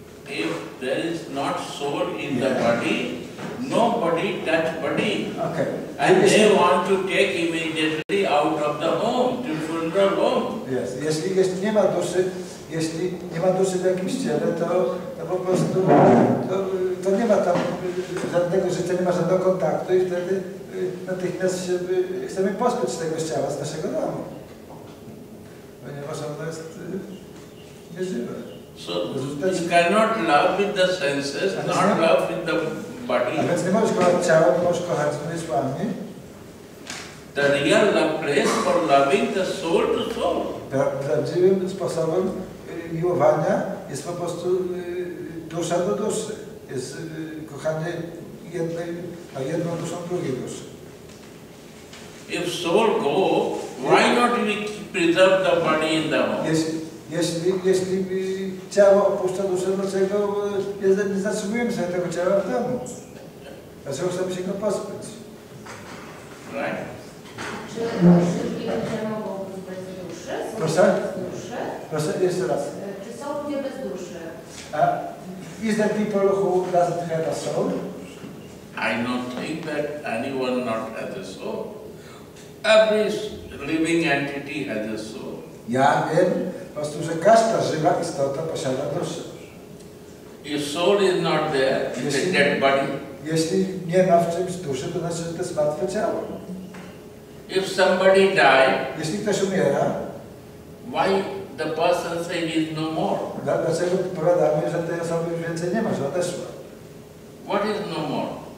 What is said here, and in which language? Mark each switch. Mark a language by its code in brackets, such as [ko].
[en] If there is not soul in the body, nobody touch body. Okay. And they want to take immediately out of the home, to funeral home. Yes. [pl] Jeśli nie ma duszy, jeśli nie ma duszy w jakimś ciele, to po prostu to nie ma tam żadnego życia, nie ma żadnego kontaktu i wtedy natychmiast chcemy pozbyć tego ciała z naszego domu. Ponieważ ono jest nieżywe. [en] So you cannot love with the senses, not love with the body. [pl] A więc nie możesz kochać ciała, możesz kochać zmysłami. [en] The real place for loving the soul to soul. [pl] Prawdziwym sposobem miłowania jest po prostu dusza do duszy. Jest kochanie jednej, a jedną duszą drugiej duszy. [en] If soul go, why not we preserve the body in the home? [pl] Jeśli ciało opuszcza duszę, dlaczego nie zatrzymujemy sobie tego ciała w domu? Dlaczego chcemy się go pozbyć? [en] Right. [pl] Czy wszystkie ciała mogą być bez duszy? Proszę? Proszę, jeszcze raz. Są ludzie bez duszy. [en] Is there people who doesn't have a soul? I don't think that anyone not has a soul. Every living entity has a soul. [pl] Ja wiem, po prostu, że każda żywa istota posiada duszę. [en] If soul is not there, it's a dead body. [pl] Jeśli nie ma w czymś duszy, to znaczy, że to jest martwe ciało. [en] If somebody die, [pl] jeśli ktoś umiera, [en] why? The person saying is no more. [pl] Dlaczego powiadamy, że tej osoby więcej nie ma, że odeszła? [en] What is no more?